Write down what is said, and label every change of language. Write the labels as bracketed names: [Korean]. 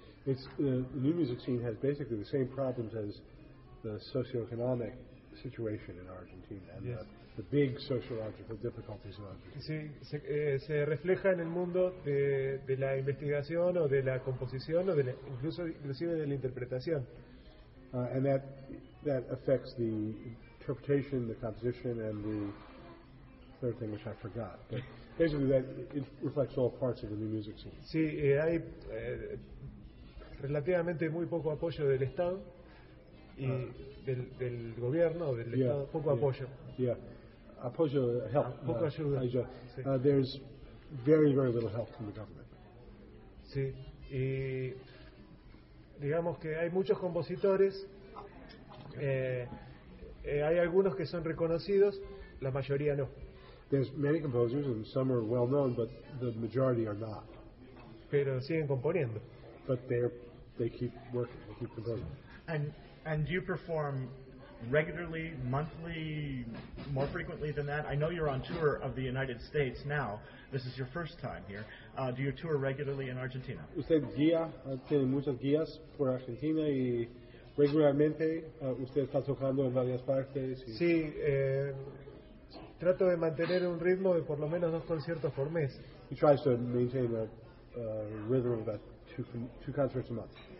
[English] The new music scene has basically the same problems as the socioeconomic situation in Argentina, and the big sociological difficulties in Argentina. [Spanish] Sí, se refleja en el mundo de la investigación o de la composición o de inclusive de la interpretación. [English] And that affects the interpretation, the composition, and the third thing which I forgot. But basically, that it reflects all parts of the new music scene. [Spanish] Sí, hay relativamente muy poco apoyo del Estado. Y del gobierno, del Estado, poco apoyo. [English] Yeah. Apoyo, help. [Spanish] Poco ayuda. Sí. [English] There's very, very little help from the government. [Spanish] Sí. Y digamos que hay muchos compositores Hay algunos que son reconocidos, la mayoría no. [English] There's many composers and some are well known, but the majority are not. [Spanish] Pero siguen componiendo. [English] But they keep working, they keep composing. And you perform regularly, monthly, more frequently than that? I know you're on tour of the United States now. This is your first time here. Do you tour regularly in Argentina? [Spanish] Usted guía, tiene muchas guías por Argentina y regularmente usted está tocando en varias partes. Y sí, trato de mantener un ritmo de por lo menos dos conciertos por mes. [English] He tries to maintain a rhythm of about two concerts a month.